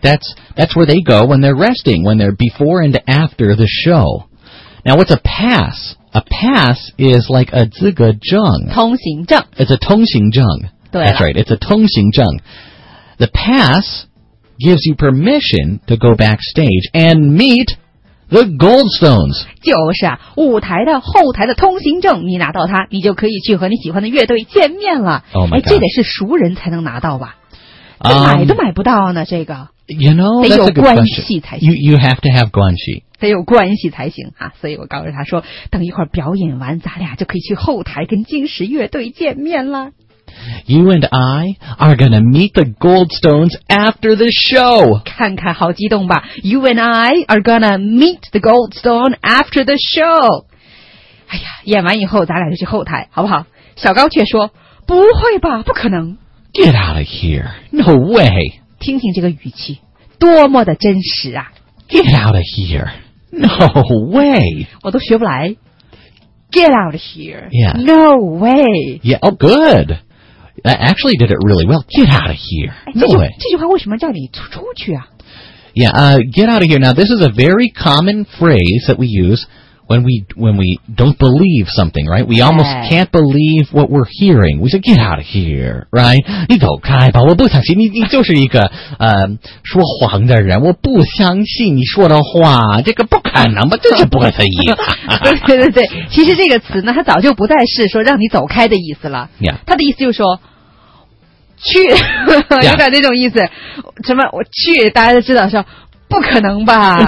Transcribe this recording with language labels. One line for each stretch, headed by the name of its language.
English: That's where they go when they're resting, when they're before and after the show. Now, what's a pass? A pass is like a 资格证
Chinese: 通行证
English: It's a 通行证 That's right. It's a 通行证The pass gives you permission to go backstage and meet the Goldstones.
Chinese: 就是啊，舞台的后台的通行证，你拿到它，你就可以去和你喜欢的乐队见面了。
English: Oh my god.
Chinese: 这得是熟人才能拿到吧？这买都买不到呢，这个。
English: You know, that's a good question.
Chinese: 得有关系才行。
English: You have to have 关系。
Chinese: 得有关系才行啊，所以我告诉他说，等一会儿表演完，咱俩就可以去后台跟金石乐队见面了。
English: You and I are going to meet the Goldstones after the show.
Chinese: 看看好激动吧。
English: You and I are going to meet the Goldstone after the show.
Chinese: 哎呀，演完以后咱俩就去后台，好不好？小高却说，不会吧，不可能。
English: Get out of here. No way.
Chinese: 听听这个语气，多么的真实啊。
English: Get out of here. No way.
Chinese: 我都学不来。
English: Get out of here. Yeah. No way. Yeah, oh good. I actually did it really well. Get out of here. No way.
Chinese: 这句话为什么叫你出去啊?
English: Yeah, get out of here. Now, this is a very common phrase that we use when we don't believe something, right? We almost can't believe what we're hearing. We say, get out of here, right?
Chinese: 你走开吧,我不相信你,你就是一个说谎的人,我不相信你说的话,这个不可能吧,这就不会的意思。对对对,其实这个词呢,它早就不再是说让你走开的意思了。
English: Yeah.
Chinese: 它的意思就是说,去,有点那种意思,什么,我去,大家都知道说,不可能吧？